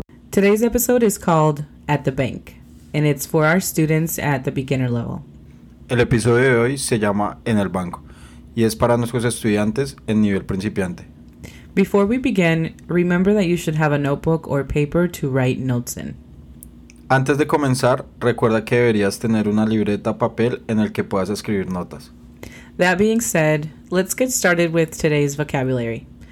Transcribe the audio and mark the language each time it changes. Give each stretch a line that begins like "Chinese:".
English: Today's episode is called At the Bank, and it's for our students at the beginner level.
Spanish: El episodio de hoy se llama En el Banco, y es para nuestros estudiantes en nivel principiante.
English: Before we begin, remember that you should have a notebook or paper to write notes in.
Spanish: Antes de comenzar, recuerda que deberías tener una libreta papel en el que puedas escribir notas.
English: That being said, let's get started with today's vocabulary.